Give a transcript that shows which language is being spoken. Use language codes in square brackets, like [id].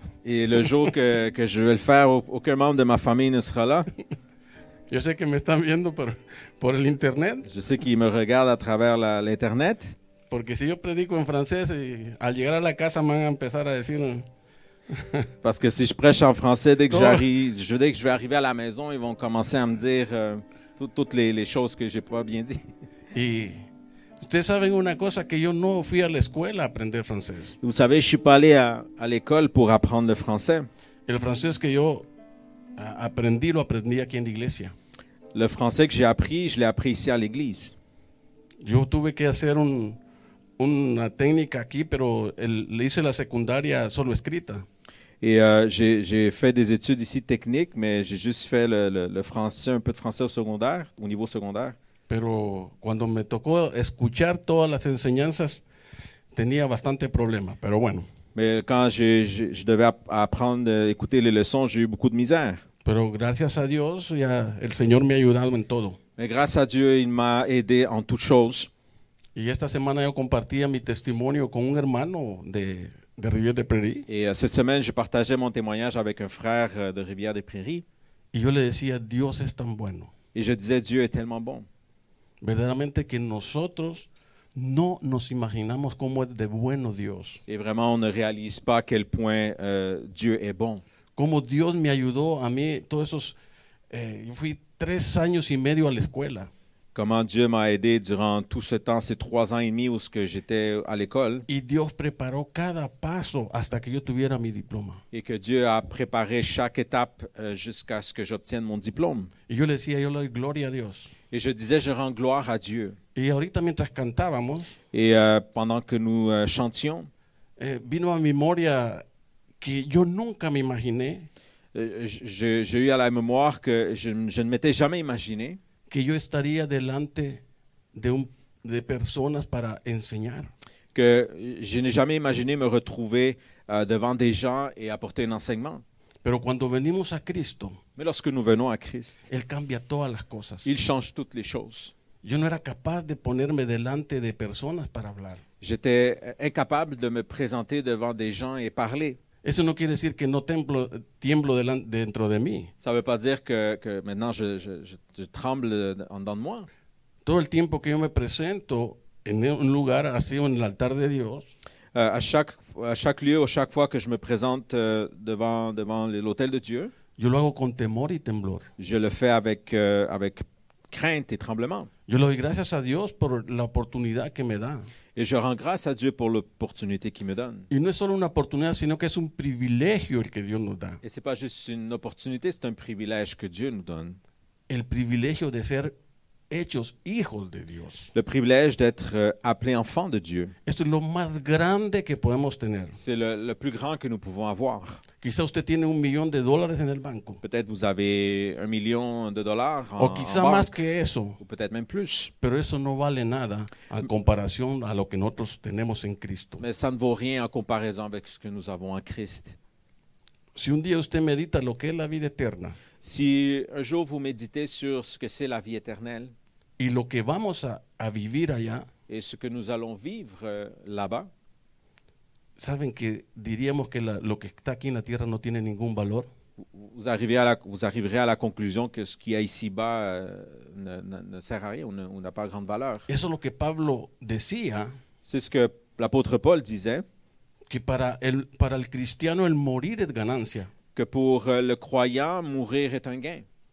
[fr] Et le jour que je vais le faire, aucun membre de ma famille ne sera là. [es] Yo sé que me están viendo por el internet. [fr] Je sais qu'ils me regardent à travers l'internet. [es] Porque si yo predico en francés y al llegar a la casa me van a empezar a decir. [fr] Parce que si je prêche en français dès que je vais arriver à la maison, ils vont commencer à me dire toutes les choses que j'ai pas bien dit. [es] Et ustedes saben una cosa que yo no fui a la escuela a aprender francés. [fr] Vous savez, je suis pas allé à l'école pour apprendre le français. [es] El francés que yo aprendí lo aprendí aquí en la iglesia. [fr] Le français que j'ai appris, je l'ai appris ici à l'église. [es] Yo tuve que hacer una técnica aquí, pero le hice la secundaria solo escrita. [fr] Et j'ai fait des études ici techniques, mais j'ai juste fait le français, un peu de français au secondaire, au niveau secondaire. [es] Pero cuando me tocó escuchar todas las enseñanzas, tenía bastante problema, pero bueno. [fr] Mais quand je devais apprendre, écouter les leçons, j'ai eu beaucoup de misère. [es] Pero gracias a Dios, ya el Señor me ha ayudado en todo. [fr] Mais grâce à Dieu, il m'a aidé en toutes choses. [es] Y esta semana yo compartía mi testimonio con un hermano de Rivière des Prairies. [fr] Et cette semaine, je partageais mon témoignage avec un frère de Rivière des Prairies. [es] Y yo le decía, Dios es tan bueno. [fr] Et je disais, Dieu est tellement bon. [es] Verdaderamente que nosotros no nos imaginamos cómo es de bueno Dios. [fr] Et vraiment, on ne réalise pas à quel point Dieu est bon. [es] Cómo Dios me ayudó a mí todos esos... yo fui 3 años y medio a la escuela. [fr] Comment Dieu m'a aidé durant tout ce temps, ces 3 ans et demi où que j'étais à l'école. [es] Y Dios preparó cada paso hasta que yo tuviera mi diploma. [fr] Et que Dieu a préparé chaque étape jusqu'à ce que j'obtienne mon diplôme. [es] Y yo le decía, yo le doy gloria a Dios. [fr] Et je disais, je rends gloire à Dieu. [es] Y ahorita mientras cantábamos, [fr] et pendant que nous chantions, [es] vino a memoria que yo nunca me imaginé. [fr] J'ai eu à la mémoire que je ne m'étais jamais imaginé. [es] Que yo estaría delante de personas para enseñar. [fr] Que je n'ai jamais imaginé me retrouver devant des gens et apporter un enseignement. [es] Pero cuando venimos a Cristo, [fr] mais lorsque nous venons à Christ, [es] Él cambia todas las cosas. [fr] Il change toutes les choses. [es] Yo no era capaz de ponerme delante de personas para hablar. [fr] J'étais incapable de me présenter devant des gens et parler. [es] Eso no quiere decir que no tiemblo dentro de mí. [fr] Ça veut pas dire que maintenant je tremble en dedans de moi. [es] Todo el tiempo que yo me presento en un lugar así en el altar de Dios, [fr] à chaque lieu, à chaque fois que je me présente devant l'autel de Dieu, [es] yo lo hago con temor y temblor. [fr] Je le fais avec crainte et tremblement. [es] Yo le doy gracias a Dios por la oportunidad que me da. [fr] Et je rends grâce à Dieu pour l'opportunité qu'il me donne. [es] Y no es solo una oportunidad, sino que es un privilegio el que Dios nos da. [fr] Et c'est pas juste une opportunité, c'est un privilège que Dieu nous donne. [es] El privilegio de ser hechos hijos de Dios. [fr] Le privilège d'être appelé enfant de Dieu. [es] Esto es lo más grande que podemos tener. [fr] C'est le plus grand que nous pouvons avoir. [es] Quizá usted tiene $1,000,000 en el banco. [fr] Peut-être vous avez $1,000,000 [es] o quizá más que eso. [fr] Ou peut-être même plus. [es] Pero eso no vale nada en comparación a lo que nosotros tenemos en Cristo. [fr] Mais ça ne vaut rien en comparaison avec ce que nous avons en Christ. [es] Si un día usted medita lo que es la vida eterna. [fr] Si un jour vous méditez sur ce que c'est la vie éternelle. [es] Y lo que vamos a vivir allá. [fr] Et ce que nous allons vivre là-bas. [es] ¿Saben que diríamos que lo que está aquí en la tierra no tiene ningún valor? [fr] Vous arriverez à la conclusion que ce qu'il y a ici-bas ne sert à rien ou n'a pas grande valeur. [es] Eso es lo que Pablo decía. [fr] C'est ce que l'apôtre Paul disait. [es] Que para el cristiano el morir es ganancia. [fr] Que pour le croyant, mourir est un gain.